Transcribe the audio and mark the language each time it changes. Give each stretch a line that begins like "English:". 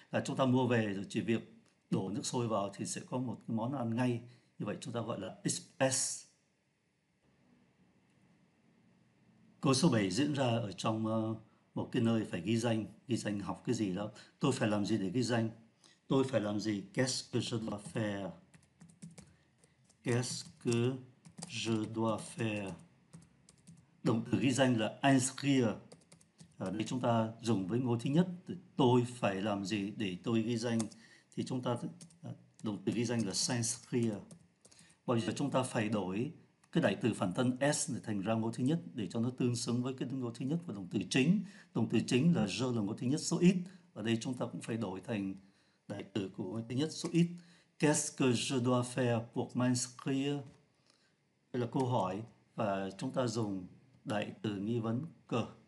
Vietnamese: Chúng ta mua về rồi chỉ việc đổ nước sôi vào thì sẽ có một cái món ăn ngay. Như vậy chúng ta gọi là espresso. Câu số 7 diễn ra ở trong một cái nơi phải ghi danh. Ghi danh học cái gì đó. Tôi phải làm gì để ghi danh? Tôi phải làm gì?
French: Qu'est-ce que je dois faire? Qu'est-ce que je dois faire?
Vietnamese: Động từ ghi danh là inscrire. Ở đây chúng ta dùng với ngôi thứ nhất. Tôi phải làm gì để tôi ghi danh? Thì chúng ta động từ ghi danh là s'inscrire. Bây giờ chúng ta phải đổi cái đại từ phản thân s này thành ra ngôi thứ nhất để cho nó tương xứng với cái ngôi thứ nhất và động từ chính. Động từ chính là je là ngôi thứ nhất số ít. Ở đây chúng ta cũng phải đổi thành đại từ của ngôi thứ nhất số ít.
French: Qu'est-ce que je dois faire pour m'inscrire?
Vietnamese: Đây là câu hỏi và chúng ta dùng đại từ nghi vấn cơ.